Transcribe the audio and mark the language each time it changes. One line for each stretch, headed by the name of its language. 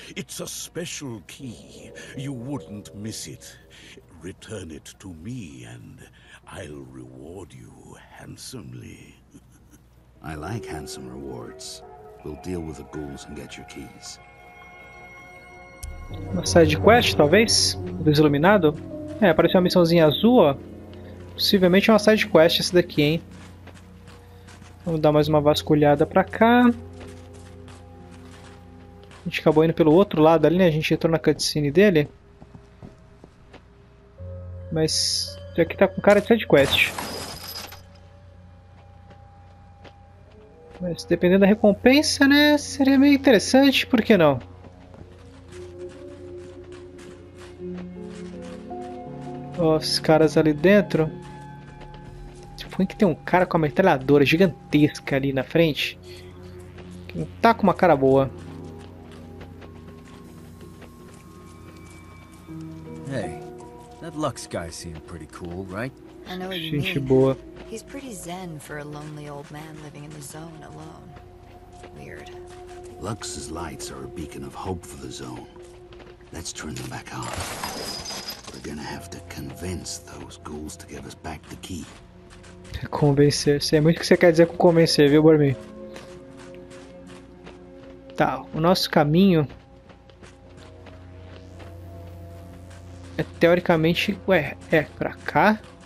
English: It's a special key. You wouldn't miss it. Return it to me, and I'll reward you handsomely. I like handsome rewards. We'll deal with the ghouls and get your keys.
Portuguese: Uma side quest, talvez? Do Iluminado? É, apareceu uma missãozinha azul, ó. Possivelmente é uma side quest essa daqui, hein? Vamos dar mais uma vasculhada pra cá. A gente acabou indo pelo outro lado ali, né? A gente entrou na cutscene dele. Mas isso aqui tá com cara de side quest. Mas dependendo da recompensa, né? Seria meio interessante, por que não? Ó, os caras ali dentro. Tipo, é que tem um cara com uma metralhadora gigantesca ali na frente? Que não tá com uma cara boa.
English: Hey, that Lux guy seemed pretty cool, right? I know what gente mean.
Portuguese: Boa.
English: He's pretty zen for a lonely old man living in the zone alone. Weird. Lux's lights are a beacon of hope for the zone. Let's turn them back on. We're gonna have to convince those ghouls to give us back the key.
Portuguese: Convencer. Sei muito o que você quer dizer com convencer, viu, Bormir? Tá, o nosso caminho é teoricamente. Ué, é pra cá?